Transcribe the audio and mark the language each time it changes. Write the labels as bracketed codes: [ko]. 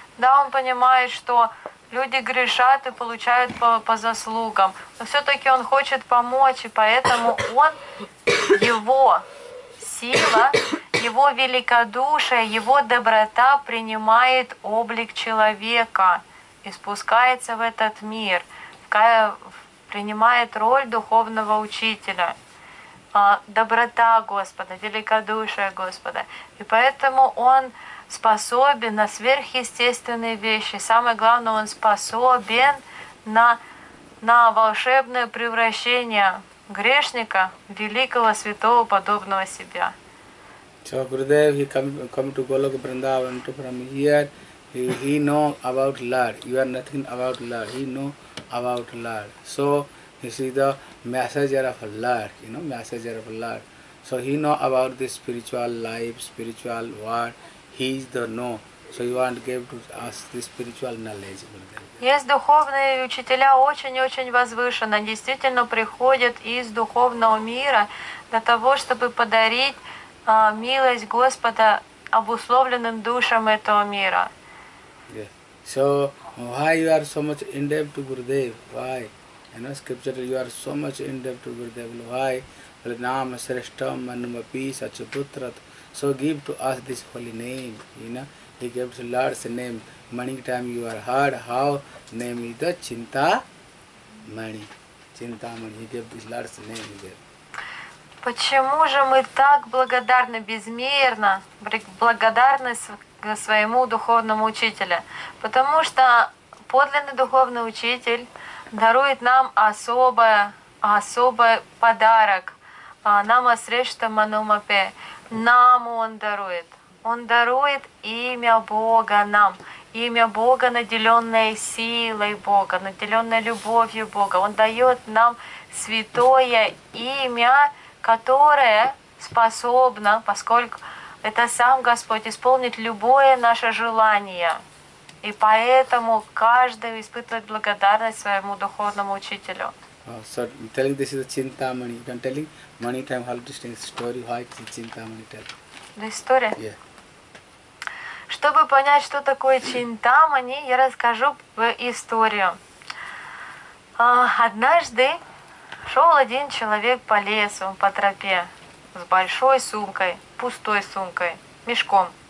[ru] Да, Он понимает, что люди грешат и получают по заслугам, но все-таки Он хочет помочь, и поэтому Он, Его сила, Его великодушие, Его доброта принимает облик человека и спускается в этот мир, принимает роль духовного учителя, доброта Господа, великодушие Господа. И поэтому он способен на сверхъестественные вещи. Самое главное, он способен на волшебное превращение грешника в великого святого, подобного себя. [en] So, Gurudev, he come to Golok Vrindavan, to from here, he know about Lord. You are nothing about Lord. He know about Lord. So, this is the messenger of Lord, you know, messenger of Lord. So he know about the spiritual life, spiritual world. He is the know. So you want to give to us the spiritual knowledge. [ru] Есть духовные учителя очень-очень возвышенно, действительно приходят из духовного мира для того, чтобы подарить милость Господа обусловленным душам этого мира. [en] Yes. So why you are so much indebted to Gurudev? Why? In our scripture, you are so much indebted to Gurudev. [sa] Why? Well, Nama Srishtam Manuma Pisa Chaputrat. [en] So give to us this holy name. You know, he gives the Lord's name. Many times you are heard how name is the Chintamani. Chintamani. He gave this Lord's name there. [ru] Почему же мы так благодарны безмерно, благодарны своему духовному учителю? Потому что подлинный духовный учитель дарует нам особый подарок. [sa] Нама Срешта Манумапе. [ru] Нам он дарует. Он дарует имя Бога нам. Имя Бога, наделенное силой Бога, наделенное любовью Бога. Он дает нам святое имя, которое способно, поскольку это сам Господь, исполнить любое наше желание. И поэтому каждый испытывает благодарность своему духовному учителю. [en] So telling this is the Chintamani. You can tell him many times how interesting story, why it's Chintamani tell. The story? Yeah. [ru] Чтобы понять, что такое Чинтамани, я расскажу историю. Однажды шел один человек по лесу, по тропе, с большой сумкой, пустой сумкой, мешком.